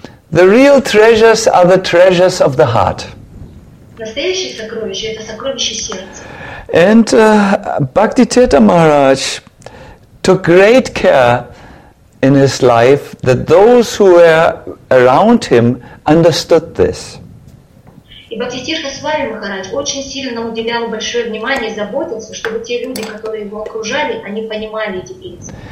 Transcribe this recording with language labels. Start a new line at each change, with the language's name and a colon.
English: The real treasures are the treasures of the heart.
Russian: Настоящие сокровища – это сокровища сердца.
English: And Bhaktitirtha Maharaj took great care in his life that those who were around him understood this.
Russian: И Бхактитирта с вами, Махарадж, очень сильно уделял большое внимание и заботился, чтобы те люди, которые его окружали, они понимали эти принципы.